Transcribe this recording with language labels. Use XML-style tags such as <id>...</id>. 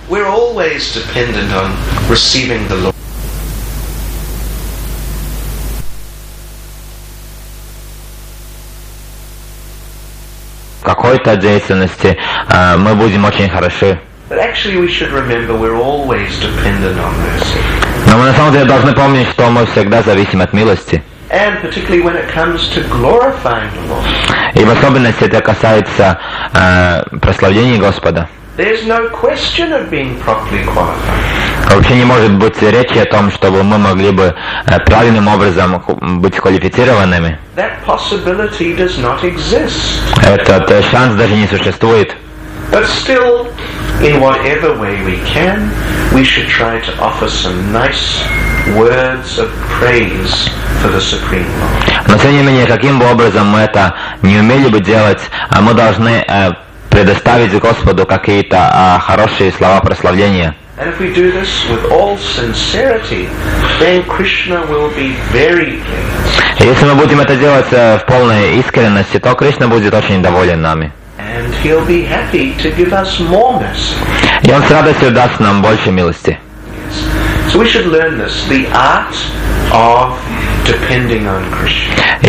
<en>We're always dependent on receiving the Lord.</en> <ru>Какой-то деятельности мы будем очень хороши.</ru> <en>But actually we should remember we're always dependent on mercy.</en> <ru>Но мы на самом деле должны помнить, что мы всегда зависим от милости.</ru> <en>And particularly when it comes to glorifying the Lord.</en> <ru>И в особенности это касается прославления Господа.</ru> <en>There's no question of being properly qualified.</en> <ru>Вообще не может быть речи о том, чтобы мы могли бы правильным образом быть квалифицированными.</ru> <en>That possibility does not exist.</en> <ru>Этот шанс даже не существует.</ru> <en>But still, in whatever way we can, we should try to offer some nice words of praise for the Supreme Lord.</en> <ru>Но тем не менее, каким бы образом мы это не умели бы делать, а мы должны предоставить Господу какие-то хорошие слова прославления.</ru> <en>And if we do this with all sincerity, then Krishna will be very pleased.</en> <ru>Если мы будем это делать в полной искренности, то Кришна будет очень доволен нами.</ru> <en>And he'll be happy to give us more mercy.</en> <ru>И он с радостью даст нам больше милости.</ru> <en>Yes. So we should learn this, the art of depending on Krishna.</en>